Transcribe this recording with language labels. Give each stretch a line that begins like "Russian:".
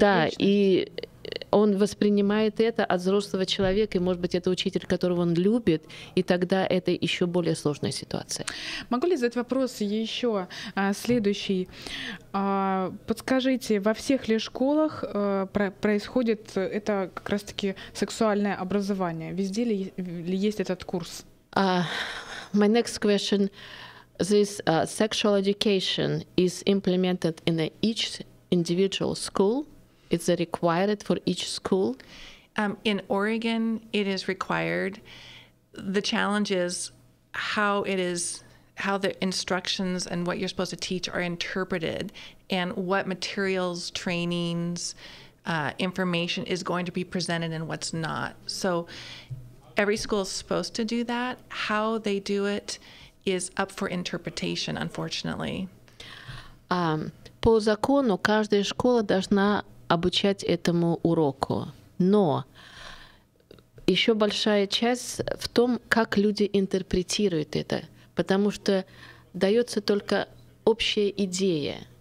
Russian: да, личность. И он воспринимает это от взрослого человека, и, может быть, это учитель, которого он любит, и тогда это еще более сложная ситуация. Могу ли задать вопрос еще следующий? Подскажите, во всех ли школах происходит это как раз-таки сексуальное образование? Везде ли есть этот курс?
English: My next question. This sexual education is implemented in each individual school. It's required for each school. In Oregon, it is required. The challenge is how the instructions and what you're supposed to teach are interpreted, and what materials, trainings, information is going to be presented and what's not. So every school is supposed to do that. How they do it is up for interpretation, unfortunately.
Russian: По закону каждая школа должна обучать этому уроку, но еще большая часть в том, как люди интерпретируют это, потому что дается только общая идея.